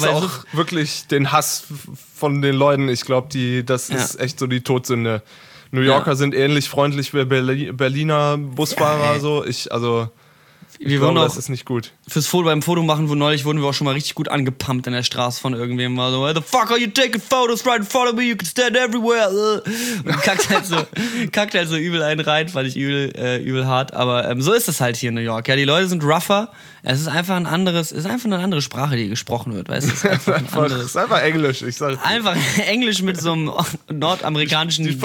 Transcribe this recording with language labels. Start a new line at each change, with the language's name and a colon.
German: Weil auch wirklich den Hass von den Leuten. Ich glaube, das ist echt so die Todsünde. New Yorker sind ähnlich freundlich wie Berliner Busfahrer. Ja, so. Ich glaube, das ist nicht gut. Fürs Foto, beim Foto machen, wo neulich wurden wir auch schon mal richtig gut angepumpt in der Straße von irgendwem. War so,
English: the fuck are you taking photos right in front of me? You can stand everywhere.
German: Und kackt halt so übel einen rein, fand ich übel hart. Aber so ist es halt hier in New York. Ja, die Leute sind rougher. Es ist einfach eine andere Sprache, die gesprochen wird. Weißt du, es ist einfach Englisch. Ich sag's. Einfach Englisch mit so einem nordamerikanischen Dialekt.